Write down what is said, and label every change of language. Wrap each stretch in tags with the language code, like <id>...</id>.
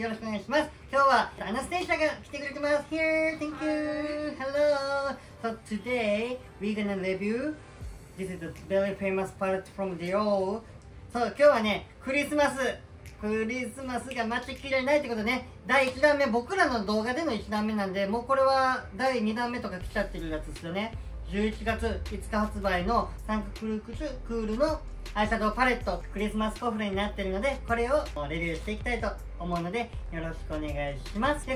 <ja>よろしくお願いします。今日は、アナステーシアが来てくれてます。</ja> <en>Here, thank you. Hello. So today, we're gonna review. This is a very famous palette from Dior.</en> <ja>So, 今日はね、クリスマス。クリスマスが待ちきれないってことね。第1弾目、僕らの動画での1弾目なんで、もうこれは第2弾目とか来ちゃってるやつですよね。 11月5日発売のサンククルークスクールのアイシャドウパレットクリスマスコフレになってるので、これをレビューしていきたいと思うのでよろしくお願いします。</ja>